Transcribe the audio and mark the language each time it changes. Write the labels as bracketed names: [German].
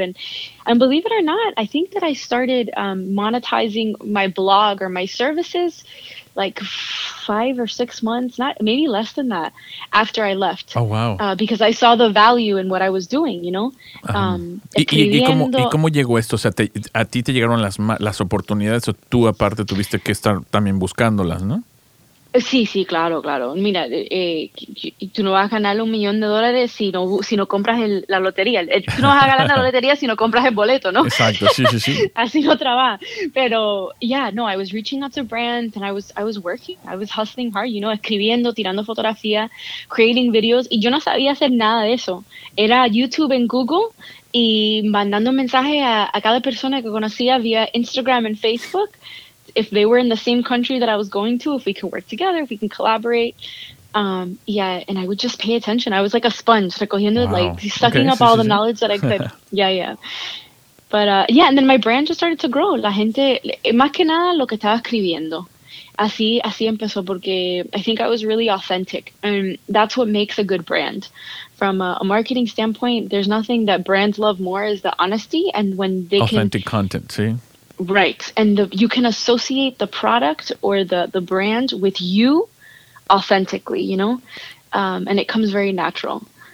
[English] And believe it or not, I think that I started monetizing my blog or my services like 5 or 6 months, not maybe less than that, after I left. Oh, wow. Because I saw the value in what I was doing, you know? [Spanish] ¿Y cómo llegó esto? O sea, ¿a ti te llegaron las oportunidades o tú aparte tuviste que estar también buscándolas, ¿no? Sí, sí, claro, claro. Mira, tú no vas a ganar $1,000,000 si no compras la lotería. Tú no vas a ganar la lotería si no compras el boleto, ¿no? Exacto, sí, sí, sí. Así no trabaja. Pero, [English] yeah, no, I was reaching out to brands and I was working. I was hustling hard, you know, [Spanish] escribiendo, tirando fotografía, [English] creating videos. [Spanish] Y yo no sabía hacer nada de eso. Era YouTube en Google y mandando mensajes a cada persona que conocía vía Instagram and Facebook. [English] If they were in the same country that I was going to, if we could work together, if we can collaborate. And I would just pay attention. I was like a sponge, [Spanish] recogiendo, [English] wow. Like sucking okay, up sí, all sí, the sí. knowledge that I could. Yeah, yeah. But and then my brand just started to grow. [Spanish] La gente, más que nada lo que estaba escribiendo. Así empezó, porque [English] I think I was really authentic. And that's what makes a good brand. From a marketing standpoint, there's nothing that brands love more is the honesty. And when they authentic content, see? Right. And you can associate the product or the brand with you authentically, you know, and it comes very natural.